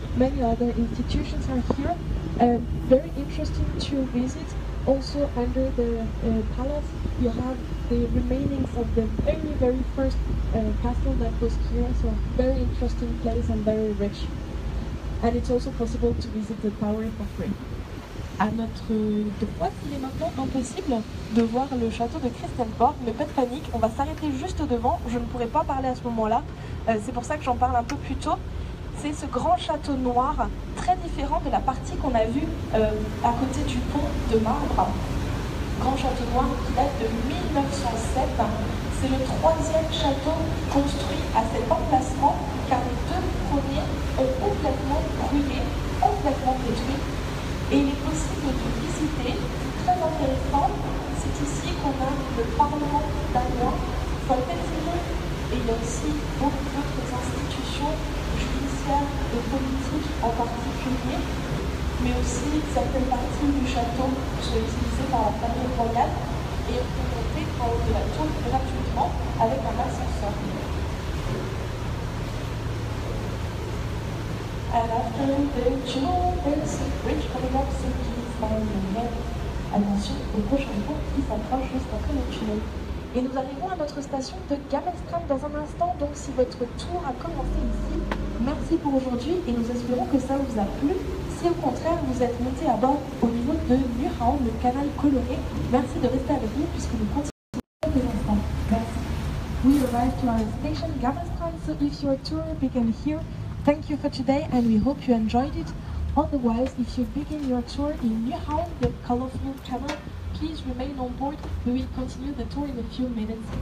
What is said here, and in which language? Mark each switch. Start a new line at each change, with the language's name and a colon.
English: Many other institutions are here. Very interesting to visit. Also under the palace, you have the remainings of the very, very first castle that was here. So very interesting place and very rich. And it's also possible to visit the tower for free.
French: À notre droite, il est maintenant impossible de voir le château de Christiansborg, mais pas de panique, on va s'arrêter juste devant, je ne pourrai pas parler à ce moment-là, c'est pour ça que j'en parle un peu plus tôt. C'est ce grand château noir, très différent de la partie qu'on a vue à côté du pont de marbre. Grand château noir qui date de 1907, c'est le troisième château construit à cet emplacement, car les deux premiers ont complètement brûlé, complètement détruit. Et il est possible de visiter, c'est très intéressant, c'est ici qu'on a le Parlement danois, Folketinget, et il y a aussi beaucoup d'autres institutions judiciaires et politiques en particulier, mais aussi certaines parties du château sont utilisées par la famille royale, et on peut monter en haut de la tour gratuitement avec un ascenseur.
English: And after the tunnel, there's a bridge coming up, so please mind your head.
French: Attention au prochain pont qui s'approche jusqu'après le tunnel. Et nous arrivons à notre station de Gammelstrand dans un instant. Donc si votre tour a commencé ici, merci pour aujourd'hui et nous espérons que ça vous a plu. Si Si au contraire, vous êtes monté à bord au niveau de Nyhavn, le canal coloré, merci de rester avec nous puisque nous continuons des instants. Merci.
English: We arrived to our station, Gammelstrand, so if your tour began here, thank you for today and we hope you enjoyed it. Otherwise, if you begin your tour in Nyhavn, the colorful canal, please remain on board. We will continue the tour in a few minutes.